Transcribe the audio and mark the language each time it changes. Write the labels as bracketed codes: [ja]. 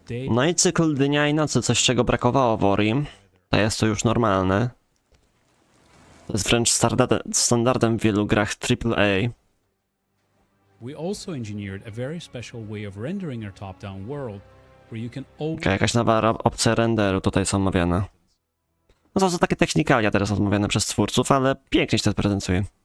[pl] No i cykl dnia i nocy, coś czego brakowało w Ori. To jest to już normalne. To jest wręcz standardem w wielu grach AAA. [en] We also engineered a very special way of rendering our top-down world. [pl] Okay, jakaś nowa opcja renderu tutaj są omawiane. No to są takie technikalia teraz omawiane przez twórców, ale pięknie się to prezentuje.